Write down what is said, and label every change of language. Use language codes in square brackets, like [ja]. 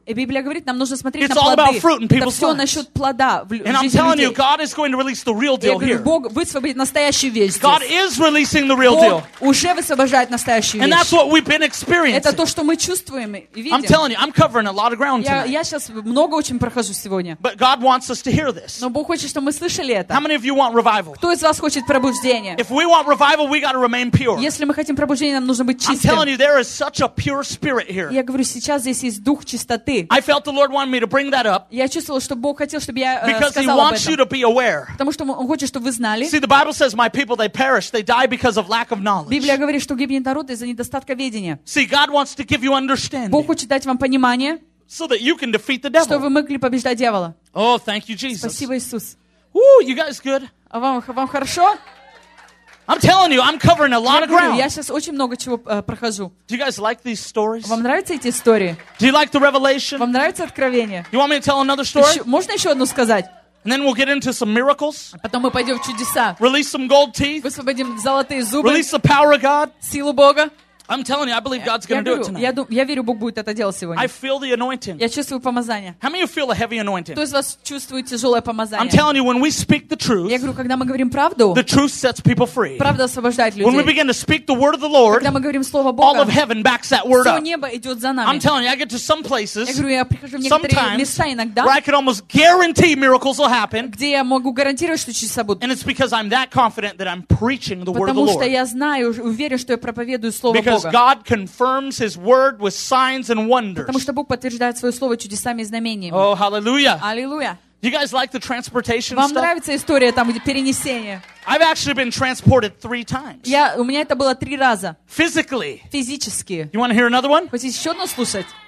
[ru] И Библия говорит, нам нужно смотреть [en] it's [ru] на плоды. [en] All about fruit in people's [ru] это все насчет плода в жизни людей. [en] And I'm telling you, God is going to release the real deal here. [ru] Бог высвободит настоящую вещь здесь. [en] God is releasing the real deal. [ru] Уже высвобождает настоящую вещь. [en] And that's what we've been experiencing. [ru] Это то, что мы чувствуем и видим. [en] I'm telling you, I'm covering a lot of ground tonight. [ru] Я сейчас много очень прохожу сегодня. [en] But God wants us to hear this. [ru] Но Бог хочет, чтобы мы слышали это. [en] How many of you want revival? [ru] Кто из вас хочет пробуждения? [en] If we want revival, we got to remain pure. [ru] Если мы хотим пробуждения, нам нужно быть чистыми. [en] I'm telling you, there is such a pure spirit here. [ru] Я говорю, сейчас здесь есть дух чистоты. [en] I felt the Lord wanted me to bring that up. [ru] Я чувствовала, что Бог хотел, чтобы я сказала об этом. [en] Because He wants you to be aware. [ru] Потому что Он хочет, чтобы вы знали. [en] See, the Bible says, "My people, they perish; they die because of lack of knowledge." [ru] Библия говорит, что гибнет народ из-за недостатка ведения. [en] See, God wants to give you understanding. [ru] Бог хочет дать вам понимание, [en] so that you can defeat the devil. [ru] Чтобы вы могли побеждать дьявола. [en] Oh, thank you, Jesus. [ru] Спасибо, Иисус. [en] Woo, you guys good? [ru] А вам хорошо? [en] I'm telling you, I'm covering a lot [ru] я [en] of ground. [ru] Я сейчас очень много чего прохожу. [en] Do you guys like these stories? [ru] Вам нравятся эти истории? [en] Do you like the revelation? [ru] Вам нравится откровение? [en] You want me to tell another story? [ru] Можно еще одну сказать? [en] And then we'll get into some miracles. [ru] Потом мы пойдем в чудеса. [en] Release some gold teeth. [ru] Высвободим золотые зубы. [en] Release the power of God. [ru] Силу Бога. [en] I'm telling you, I believe God's going to do it tonight. [ru] Я верю, Бог будет это делать сегодня. [en] I feel the anointing. [ru] Я чувствую помазание. [en] How many of you feel a heavy anointing? [ru] Кто из вас чувствует тяжелое помазание? [en] I'm telling you, when we speak the truth, [ru] я говорю, когда мы говорим правду, [en] the truth sets people free. [ru] Правда освобождает людей. [en] When we begin to speak the word of the Lord, [ru] когда мы говорим слово Бога, [en] all of heaven backs that word up. [ru] Все небо идет за нами. [en] I'm telling you, I get to some places, [ru] я говорю, я прихожу в некоторые места иногда, [en] where I could almost guarantee miracles will happen, [ru] где я могу гарантировать, что чудеса будут. [en] And it's because I'm that confident that I'm preaching the word of the Lord. [ru] Потому что я знаю, уверен, что я проповедую слово Бога. [en] Because God confirms His word with signs and wonders. [ru] Потому что Бог подтверждает свое слово чудесами и знамениями. [en] Oh, hallelujah! Hallelujah! You guys like the transportation [ru] Вам [en] stuff? [ru] Вам нравится история там, где перенесение? [en] I've actually been transported 3 times. [ru] Я у меня это было 3 раза. [en] Physically. [ru] Физически. [en] You want to hear another one? [ru] Хочешь еще одно слушать?